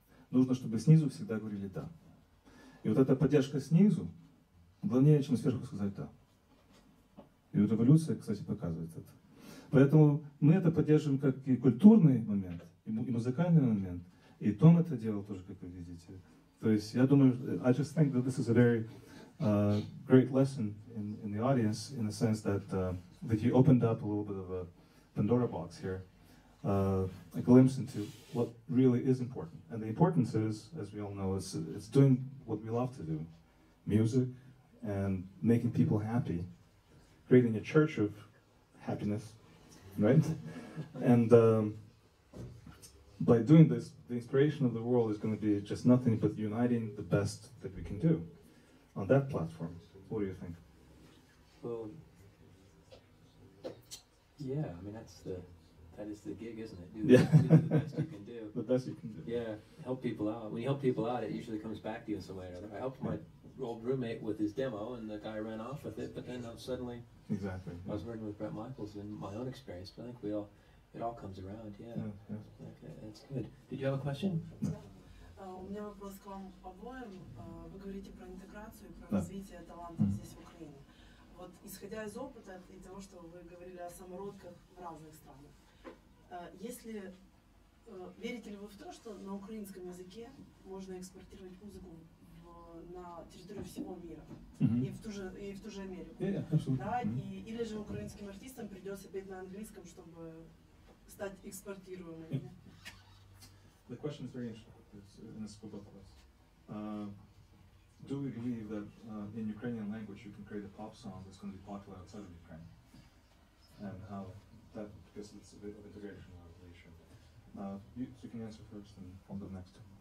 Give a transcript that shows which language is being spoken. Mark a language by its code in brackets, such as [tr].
[ru] Нужно, чтобы снизу всегда говорили «да». И вот эта поддержка снизу главнее, чем сверху сказать «да». И вот эволюция, кстати, показывает это. Поэтому мы это поддерживаем как и культурный момент, и музыкальный момент. И Том это делал тоже, как вы видите. То есть, я думаю, [en] I just think that this is a very great lesson in the audience, in the sense that that you opened up a little bit of a Pandora box here, a glimpse into what really is important. And the importance is, as we all know, it's doing what we love to do, music, and making people happy, creating a church of happiness, right? And by doing this, the inspiration of the world is going to be just nothing but uniting the best that we can do on that platform. What do you think? Well, yeah, I mean, that is the gig, isn't it? Do the best you can do. The best you can do. Yeah, help people out. When you help people out, it usually comes back to you in some way or another. I helped my old roommate with his demo, and the guy ran off with it, but then suddenly exactly. I was working with Brett Michaels in my own experience, but I think it all comes around, yeah. Yeah. Did you have a question? [ru] У меня вопрос к вам обоим. Вы говорите про интеграцию и про развитие талантов здесь, в Украине. Вот, исходя из опыта и того, что вы говорили о самородках в разных странах, если верите ли вы в то, что на украинском языке можно экспортировать музыку на территорию всего мира и в ту же Америку? [en] Yeah, [ru] да, и, или же украинским артистам придется петь на английском, чтобы стать экспортируемыми? [en] Yeah. The question is very interesting, it's in a scope of course. Do we believe that in Ukrainian language you can create a pop song that's going to be popular outside of Ukraine? And how that, because it's a bit of integration of the issue. You can answer first and from the next.